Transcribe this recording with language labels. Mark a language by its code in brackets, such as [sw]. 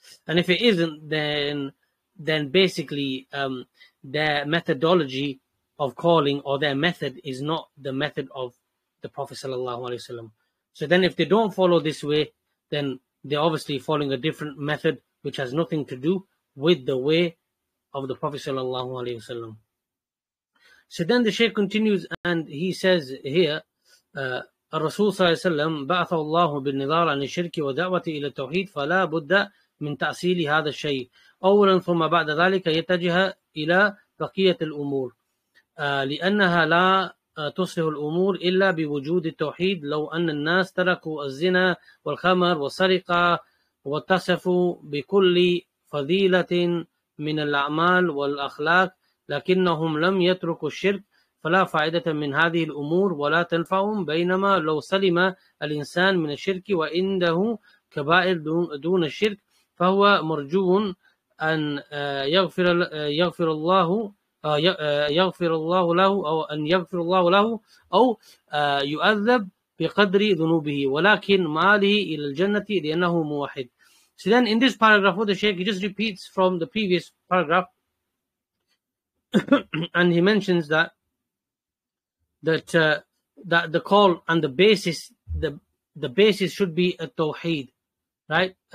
[en] And if it isn't, then basically their methodology of calling or their method is not the method of the Prophet sallallahu alaihi wasallam. So then if they don't follow this way, then they're obviously following a different method which has nothing to do with the way of the Prophet sallallahu alaihi wasallam. So then the Shaykh continues and he says here, [ar] الرسول صلى الله عليه وسلم بعث الله بالنذار عن الشرك ودعوة إلى التوحيد فلا بد من تأصيل هذا الشيء أولا ثم بعد ذلك يتجه إلى بقية الأمور لأنها لا تصلح الأمور إلا بوجود التوحيد لو أن الناس تركوا الزنا والخمر والسرقة واتصفوا بكل فضيلة من الأعمال والأخلاق لكنهم لم يتركوا الشرك فلا فائدة من هذه الأمور ولا تنفعهم بينما لو سلم الإنسان من الشرك وعنده كبائر دون الشرك فهو مرجو أن يغفر الله له أو يؤذب بقدر ذنوبه ولكن ماله إلى الجنة لأنه موحد. [en] So then in this paragraph what the Shaykh just repeats from the previous paragraph and he mentions that the call and the basis should be a tawheed, right?